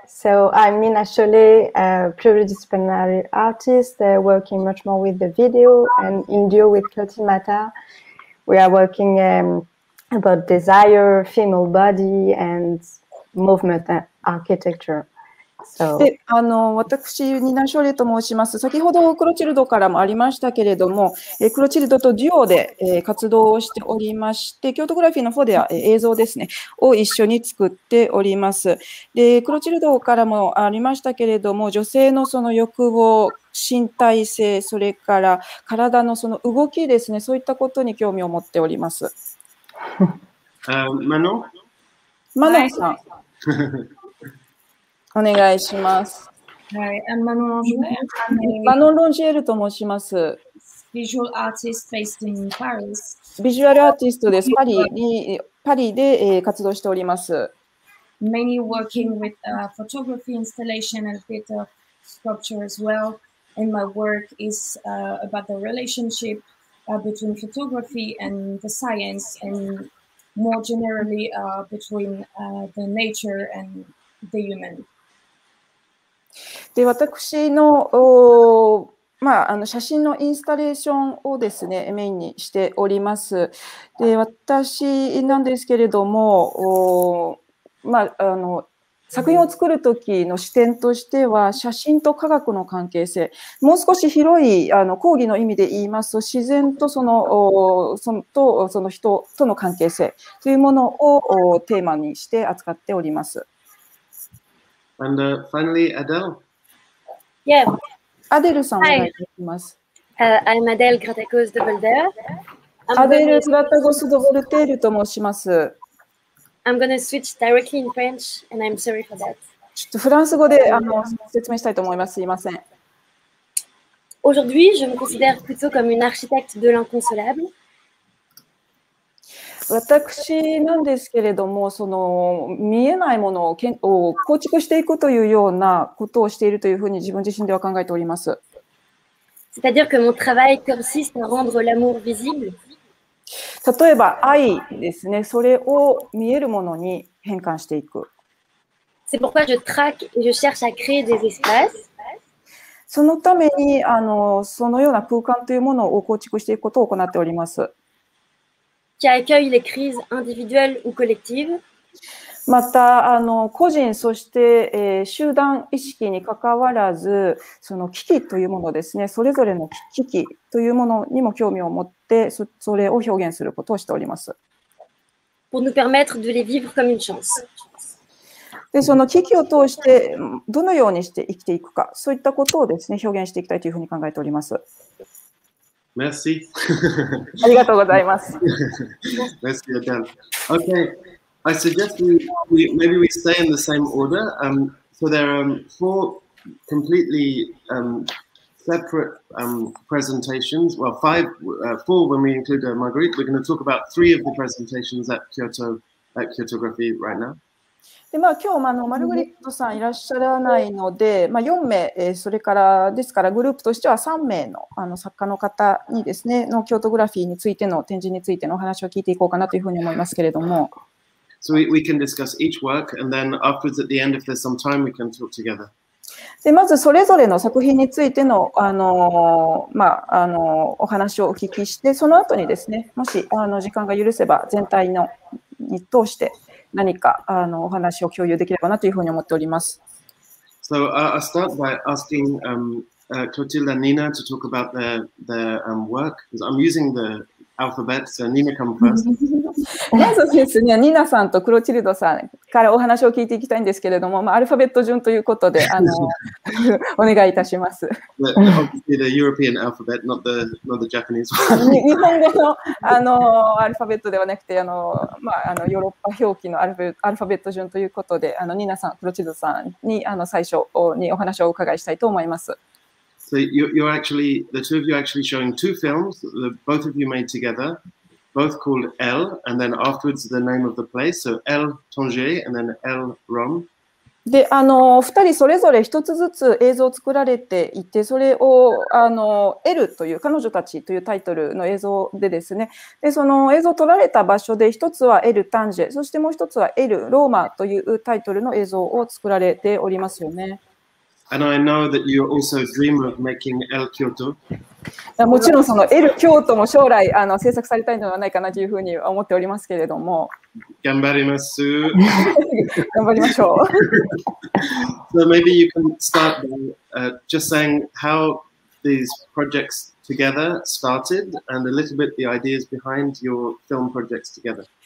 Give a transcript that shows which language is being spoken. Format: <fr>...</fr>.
<en>So I'm Nina Scholle, a pluridisciplinary artist working much more with the video and in duo with Clotilde Matter. We are working about desire, female body, and movement architecture.</en> <ja>で、私、ニナ・ショーレと申します。先ほどクロチルドからもありましたけれども、クロチルドとデュオで、活動をしておりまして、京都グラフィーの方では、映像ですね、を一緒に作っております。で、クロチルドからもありましたけれども、女性のその欲望、身体性、それから体のその動きですね、そういったことに興味を持っております。マノ？マノさん。お願いします。はい、Manon Rongier。 Manon Rongier と申します。</ja> <en>Visual artist based in Paris。</en> <ja>ビジュアルアーティストです。パリで活動しております。</ja> <en>Mainly working with photography, installation, and theater sculpture as well. And my work is about the relationship between photography and the science, and more generally between the nature and the human.</en> <ja>で私 の、まあ、写真のインスタレーションをですねメインにしております。で私なんですけれども、まあ、作品を作る時の視点としては写真と科学の関係性、もう少し広い講義の意味で言いますと自然とその人との関係性というものをテーマにして扱っております。</ja> <en>And finally, Adele. Yeah.</en> <ja>Adele さんお願いします。</ja> <en>I'm Adele Grategos de Voltaire.</en> <ja>Adele Grategos de Voltaire と申します。</ja> <en>I'm going to switch directly in French, and I'm sorry for that.</en> <ja>ちょっとフランス語で説明したいと思います。すいません。</ja> <fr>Aujourd'hui, je me considère plutôt comme une architecte de l'inconsolable.</fr> <ja>私なんですけれども、その見えないものを構築していくというようなことをしているというふうに自分自身では考えております。</ja> <fr>C'est-à-dire que mon travail consiste à rendre l'amour visible.</fr> <ja>例えば愛ですね、それを見えるものに変換していく。</ja> <fr>C'est pourquoi je traque et je cherche à créer des espaces.</fr> <ja>そのためにそのような空間というものを構築していくことを行っております。</ja> <fr>Qui accueille les crises individuelles ou collectives.</fr> <ja>また個人そして、集団意識にかかわらずその危機というものですね、それぞれの危機というものにも興味を持って それを表現することをしております。</ja> <fr>Pour nous permettre de les vivre comme une chance.</fr> <ja>でその危機を通してどのようにして生きていくか、そういったことをですね表現していきたいというふうに考えております。</ja> <fr>Merci.</fr> <ja>ありがとうございます。</ja> <fr>Merci, Adele.</fr> <en>Okay, I suggest we stay in the same order. So there are four completely separate presentations. Well, four when we include Marguerite. We're going to talk about three of the presentations at Kyoto Graphy right now.</en> <ja>でまあ、今日もマルグリットさんいらっしゃらないので、まあ、4名、それからですからグループとしては3名 の作家の方にですね、の京都グラフィーについての展示についてのお話を聞いていこうかなというふうに思いますけれども。</ja> <en>So we can discuss each work and then afterwards at the end if there's some time we can talk together.</en> <ja>でまずそれぞれの作品についての、まあ、お話をお聞きして、その後にですね、もし時間が許せば全体のに通して、何かお話を共有できればなというふうに思っております。</ja> <en>So, I'll start by asking Clotilde and Nina to talk about their work. I'm using the alphabet, so Nina come first.</en> <ja>まずですね、Nina さんとクロチルドさんからお話を聞いていきたいんですけれども、まあ、アルファベット順ということで、お願いいたします。</ja> <en>Obviously, the European alphabet, not the Japanese one.</en> <ja>日本語のアルファベットではなくて、まあ、ヨーロッパ表記のアルファベット順ということで、Nina さん、クロチルドさんに最初にお話をお伺いしたいと思います。</ja> <en>So you're actually, the two of you are actually showing two films, both of you made together. Both called L, and then afterwards the name of the place. So L Tanger and then L Rome.</en> <ja>で、二人それぞれ一つずつ映像を作られていて、それをL という彼女たちというタイトルの映像でですね。で、その映像を撮られた場所で一つは L Tanger、そしてもう一つは L Roma というタイトルの映像を作られておりますよね。</ja> <en>And I know that you also dream of making El Kyoto.</en> <ja>もちろんそのエル京都も将来あの制作されたいのではないかなというふうに思っておりますけれども。頑張ります。頑張りましょう。</ja> <en>So maybe you can start by just saying how these projects together started and a little bit the ideas behind your film projects together.</en>